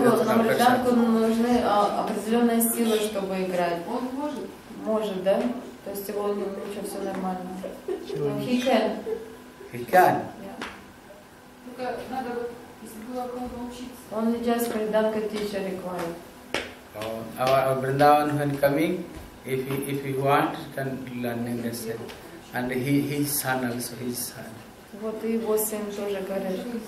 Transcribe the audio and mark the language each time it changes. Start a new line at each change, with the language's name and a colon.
Russian: То есть на мрдангу нужны определенные силы, чтобы играть. Он может. Может, да? То есть его ничего все нормально.
English: He can. He can.
Russian: Только надо вот, если было кому-то учиться. Он не
English: just мрданга teacher required. Our Vrindavan when coming, if he wants, can learning necessary. And his son also, his son.
Russian: Вот и его сын тоже говорит.